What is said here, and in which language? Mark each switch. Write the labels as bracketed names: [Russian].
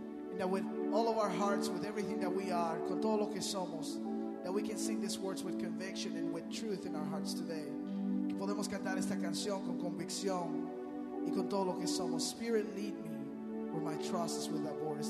[English] And that with all of our hearts, with everything that we are, [Spanish] con todo lo que somos, [English] that we can sing these words with conviction and with truth in our hearts today. [Spanish] Que podemos cantar esta canción con convicción y con todo lo que somos. [English] Spirit, lead me where my trust is with thy borders.